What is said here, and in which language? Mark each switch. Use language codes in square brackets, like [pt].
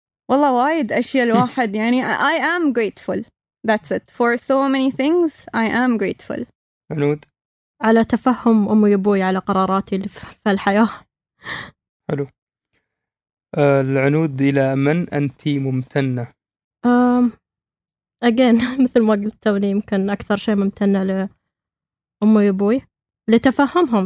[ar] والله وايد اشياء الواحد يعني [en] I am grateful. That's it. For so many things, I am grateful. [ar] عنود. على تفهم أمي وأبوي على قراراتي في الحياة. حلو. العنود إلى من أنت ممتنة؟ Again, مثل ما قلت توني، يمكن أكثر شيء ممتنة لأمي وأبوي لتفهمهم.